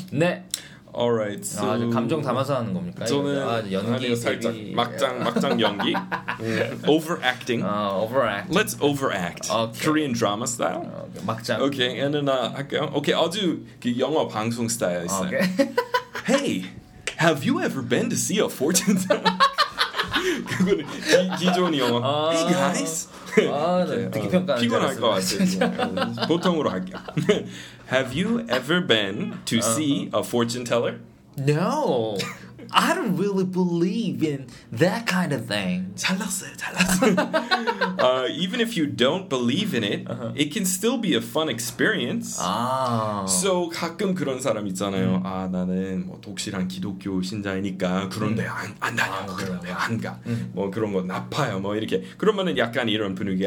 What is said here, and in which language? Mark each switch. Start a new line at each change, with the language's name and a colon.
Korean: 네.
English: All right. So
Korean: 아, 감정 담아서 하는 겁니까? 저는 아, 연기 살짝 데뷔... 막장 연기.
English: Overacting. Overacting. Let's overact. Okay. Korean drama style. Okay. 막장. Okay. And then
Korean: 할게요.
English: Okay.
Korean: 아주 그 영화 방송 스타일 있어요.
English: Okay. Hey, have you ever been to see a fortune teller?
Korean: 그거는 기존 영화.
English: Hey guys.
Korean: 피곤할 것 같아요. 보통으로 할게요.
English: Have you ever been to see a fortune teller? No. I don't really believe in that kind of thing.
Korean: 잘났어요.
English: Even if you don't believe in it, it can still be a fun experience.
Korean: So 가끔 그런 사람 있잖아요. 아 나는 뭐 독실한 기독교 신자이니까 그런데 안 다녀. 그런데 안 가. 뭐 그런 거 나빠요. 뭐 이렇게. 그러면은 약간 이런 분위기.